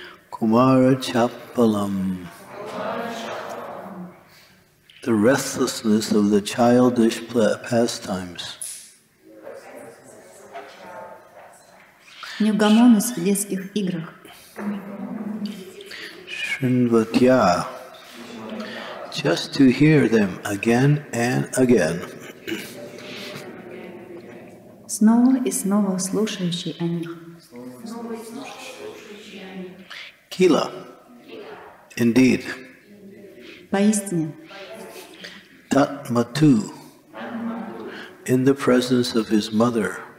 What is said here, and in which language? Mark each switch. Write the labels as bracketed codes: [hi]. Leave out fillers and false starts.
[en] Kumara Chapalam, the restlessness of the childish pastimes. [ru] Неугомонность в детских играх. [en] Srinvatya, just to hear them again and again. [ru] Снова и снова слушающий о них. [en] Kila, indeed. [ru] Поистине. [en] Tatmatu, in the presence of his mother.